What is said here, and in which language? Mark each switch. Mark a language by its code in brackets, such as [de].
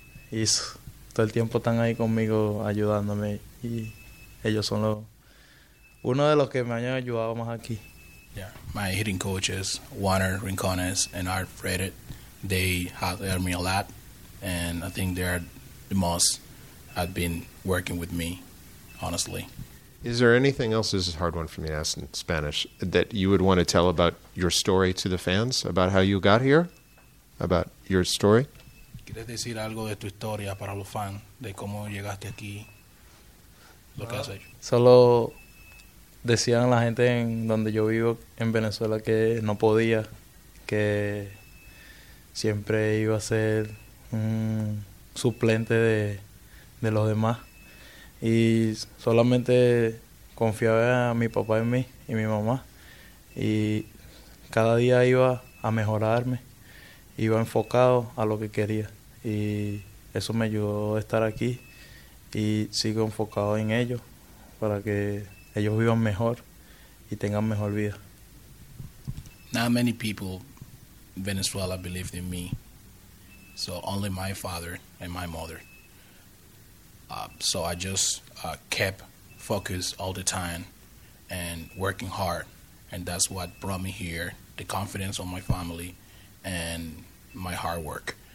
[es] Is todo el tiempo están ahí conmigo ayudándome, y ellos son uno de los que me han ayudado más aquí. [en] Yeah, my hitting coaches, Warner, Rincones, and Art Freire, they have helped me a lot, and I think they are the most have been working with me, honestly. Is there anything else, this is a hard one for me to ask in Spanish, that you would want to tell about your story to the fans, about how you got here, about your story? [es] ¿Quieres decir algo de tu historia para los fans, de cómo llegaste aquí, lo que has hecho? Solo decían la gente en donde yo vivo, en Venezuela, que no podía, que siempre iba a ser un suplente de los demás. Y solamente confiaba a mi papá en mí y mi mamá. Y cada día iba a mejorarme, iba enfocado a lo que quería. Y eso me ayudó a estar aquí y sigo enfocado en ellos para que ellos vivan mejor y tengan mejor vida. [en] Not many people in Venezuela believed in me, so only my father and my mother. So I just kept focused all the time and working hard, and that's what brought me here, the confidence of my family and my hard work.